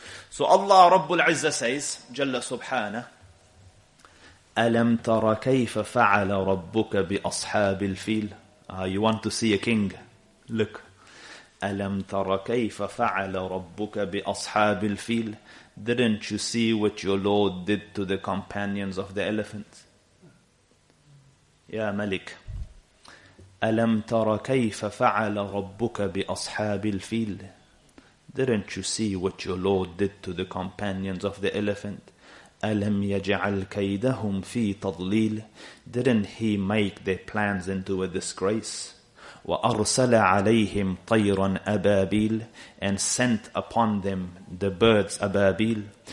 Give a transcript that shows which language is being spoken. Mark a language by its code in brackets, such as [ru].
[en] So Allah Rabbul Izzah says, [ar] Jalla Subhana, أَلَمْ تَرَ كَيْفَ فَعَلَ رَبُّكَ بِأَصْحَابِ الْفِيلِ. [en] You want to see a king? Look. [ar] أَلَمْ تَرَ كَيْفَ فَعَلَ رَبُّكَ بِأَصْحَابِ الْفِيلِ. [en] Didn't you see what your Lord did to the companions of the elephant? [ar] Ya Malik, أَلَمْ تَرَ كَيْفَ فَعَلَ رَبُّكَ بِأَصْحَابِ الْفِيلِ. [en] Didn't you see what your Lord did to the companions of the elephant? [ar] أَلَمْ يَجْعَلْ كَيْدَهُمْ فِي تَضْلِيلِ. [en] Didn't he make their plans into a disgrace? [ar] وَأَرْسَلَ عَلَيْهِمْ طَيْرًا أَبَابِيلَ. [en] And sent upon them the birds أَبَابِيلَ.